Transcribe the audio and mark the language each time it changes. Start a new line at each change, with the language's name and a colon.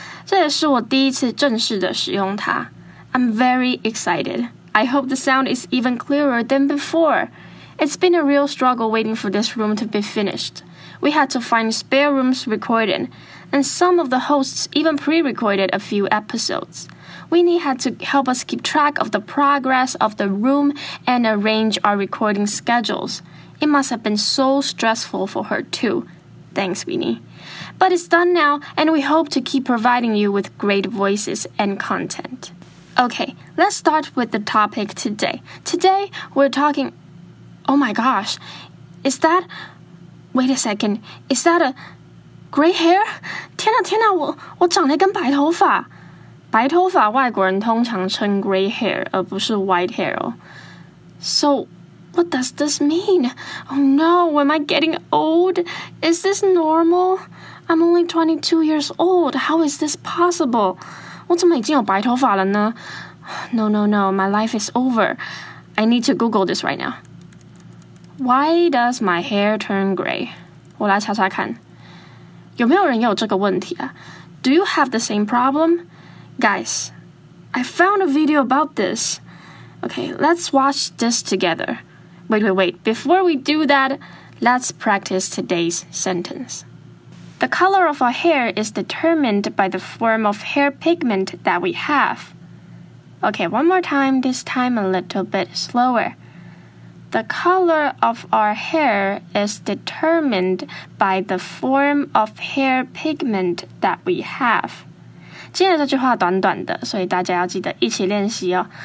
Chinese: 这也是我第一次正式的使用它。
English: I'm very excited. I hope the sound is even clearer than before. It's been a real struggle waiting for this room to be finished. We had to find spare rooms recording, and some of the hosts even pre-recorded a few episodes. Winnie had to help us keep track of the progress of the room and arrange our recording schedules. It must have been so stressful for her too. Thanks, Winnie. But it's done now, and we hope to keep providing you with great voices and content. Okay, let's start with the topic today. Today, we're talking... Oh my gosh, is that... Wait a second, is that a gray hair?
Chinese: 天哪天哪，我长了一根白头发。白头发外国人通常称 gray hair, 而不是 white hair.
English: So, what does this mean? Oh no, am I getting old? Is this normal? I'm only 22 years old, how is this possible?
Chinese: 我怎么已经有白头发了呢?
English: No, no, no, my life is over. I need to Google this right now. Why does my hair turn gray?
Chinese: 我来查查看。有没有人有这个问题啊?
English: Do you have the same problem? Guys, I found a video about this. Okay, let's watch this together. Wait, wait, wait. Before we do that, let's practice today's sentence. The color of our hair is determined by the form of hair pigment that we have. Okay, one more time, this time a little bit slower. The color of our hair is determined by the form of hair pigment that we have.
Chinese: 今天的这句话短短的，所以大家要记得一起练习哦。